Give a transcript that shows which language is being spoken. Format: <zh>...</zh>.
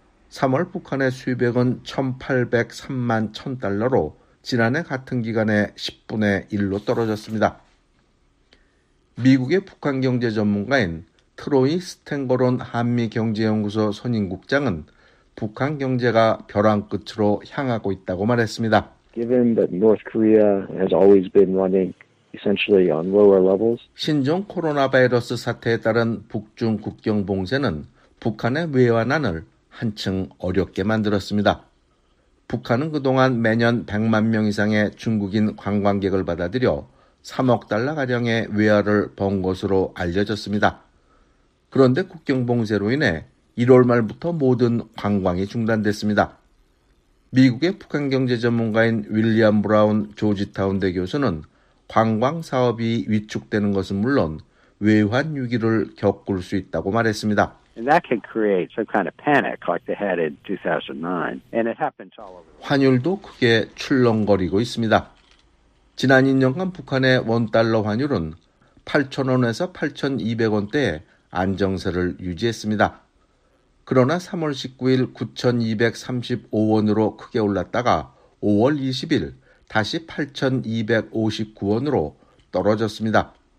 <ko>3월 북한의 수입액은 1,803만 1천 달러로 지난해 같은 기간의 10분의 1로 떨어졌습니다. 미국의 북한 경제 전문가인 트로이 스탱거론 한미경제연구소 선임국장은 북한 경제가 벼랑 끝으로 향하고 있다고 말했습니다.</ko> <en>Given that North Korea has always been running essentially on lower levels.</en> <ko>신종 코로나 바이러스 사태에 따른 북중 국경 봉쇄는 북한의 외환난을 한층 어렵게 만들었습니다. 북한은 그동안 매년 100만 명 이상의 중국인 관광객을 받아들여 3억 달러가량의 외화를 번 것으로 알려졌습니다. 그런데 국경 봉쇄로 인해 1월 말부터 모든 관광이 중단됐습니다. 미국의 북한 경제 전문가인 윌리엄 브라운 조지타운대 교수는 관광 사업이 위축되는 것은 물론 외환 위기를 겪을 수 있다고 말했습니다.</ko> <en>And that can create some kind of panic like they had in 2009. And it happens all over.</en> <ko>환율도 크게 출렁거리고 있습니다. 지난 2년간 북한의 원달러 환율은 8,000원에서 8,200원대에 안정세를 유지했습니다. 그러나 3월 19일 9,235원으로 크게 올랐다가 5월 20일 다시 8,259원으로 떨어졌습니다.</ko>